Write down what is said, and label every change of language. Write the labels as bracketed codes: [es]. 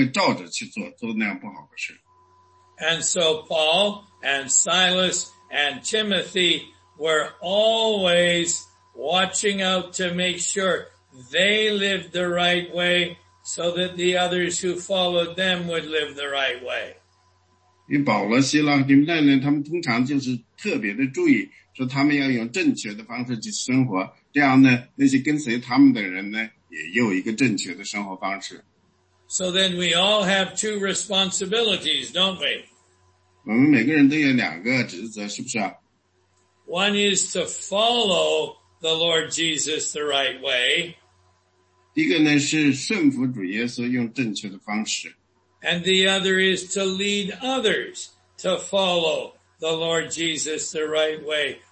[zh] 有时候呢,你对你自己说,我最好不要那么做。如果我那么做的话呢,我的儿子或者我的女儿,他们会照着去做,做那样不好的事。 [en] And so Paul and Silas and Timothy were always watching out to make sure they lived the right way so that the others who followed them would live the right way. [zh] 因为保罗、希拉、提摩太呢，他们通常就是特别的注意，说他们要用正确的方式去生活，这样呢，那些跟随他们的人呢，也有一个正确的生活方式。 [en] So then we all have two responsibilities, don't we? [zh] 我们每个人都有两个职责，是不是啊？ [en] One is to follow the Lord Jesus the right way. [zh] 一个呢是顺服主耶稣，用正确的方式。 [en] And the other is to lead others to follow the Lord Jesus the right way.